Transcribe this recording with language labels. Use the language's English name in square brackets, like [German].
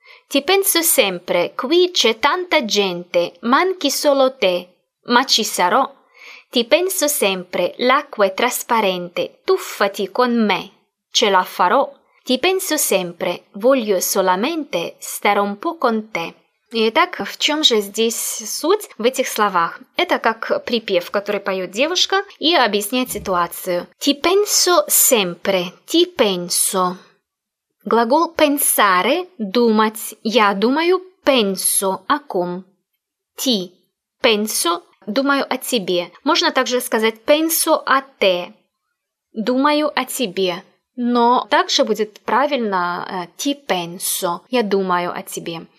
[Italian] Ti penso sempre, qui c'è tanta gente, manchi solo te, ma ci sarò. Ti penso sempre, l'acqua è trasparente, tuffati con me, ce la farò. Ti penso sempre, voglio solamente stare un po' con te. [Russian] Итак, в чем же здесь суть в этих словах? Это как припев, который поет девушка и объясняет ситуацию. [Italian] Ti penso sempre, ti penso. [Russian] Глагол [Italian] pensare [Russian] – думать. Я думаю, [Italian] penso [Russian] – о ком? [Italian] Ti – penso [Russian] – думаю о тебе. Можно также сказать [Italian] penso a te [Russian] – думаю о тебе. Но также будет правильно [Italian] ti penso [Russian] – я думаю о тебе.